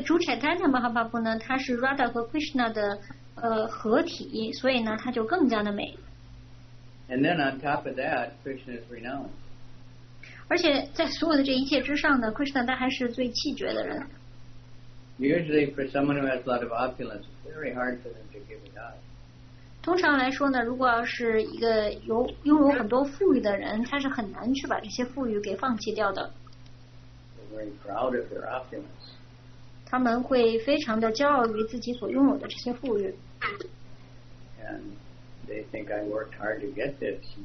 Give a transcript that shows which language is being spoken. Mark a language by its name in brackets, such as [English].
[Chinese] 所以主 Chaitanya Mahaprabhu 呢它是 Radha 和 Krishna 的合体，所以呢它就更加的美。 [English] And then on top of that, Krishna is renowned. [Chinese] 而且在所有的这一切之上呢， Krishna 他还是最气绝的人。 [English] Usually, for someone who has a lot of opulence, it's very hard for them to give it up. [Chinese] 通常来说呢，如果要是一个拥有很多富裕的人，他是很难去把这些富裕给放弃掉的。 [English] They're very proud of their opulence. [Chinese] 他们会非常的骄傲于自己所拥有的这些富裕。 [English] And they think I worked hard to get this.